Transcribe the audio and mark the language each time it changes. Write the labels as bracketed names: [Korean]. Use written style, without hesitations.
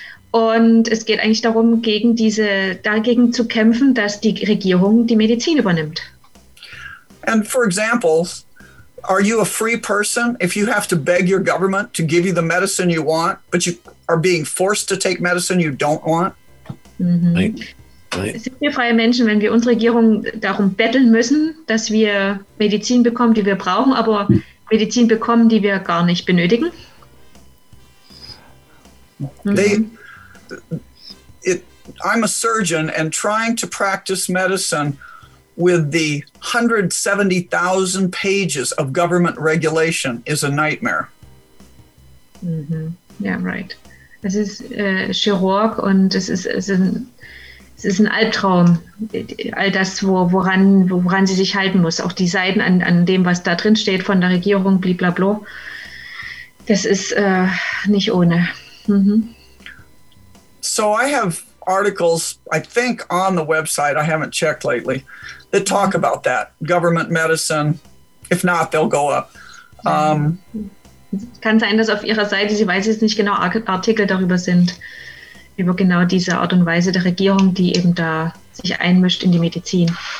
[German] Und es geht eigentlich darum, dagegen zu kämpfen, dass die Regierung die Medizin übernimmt. [English] And for example, are you a free person if you have to beg your government to give you the medicine you want, but you are being forced to take medicine you don't want? Mm-hmm. [German] Right. Sind wir freie Menschen, wenn wir unsere Regierung darum betteln müssen, dass wir Medizin bekommen, die wir brauchen, aber Medizin bekommen, die wir gar nicht benötigen? Mm-hmm. [English] I'm a surgeon and trying to practice medicine with the 170,000 pages of government regulation is a nightmare. Mm-hmm. Yeah, right. [German] Es ist Chirurg und es ist ein Albtraum, all das, woran sie sich halten muss, auch die Seiten an dem, was da drin steht von der Regierung, blablabla. Das ist nicht ohne. Mhm. [English] So I have articles, I think, on the website, I haven't checked lately, that talk about that, government medicine. If not, they'll go up. [German] Kann sein, dass auf Ihrer Seite, Sie weiß jetzt nicht genau, Artikel darüber sind, über genau diese Art und Weise der Regierung, die eben da sich einmischt in die Medizin.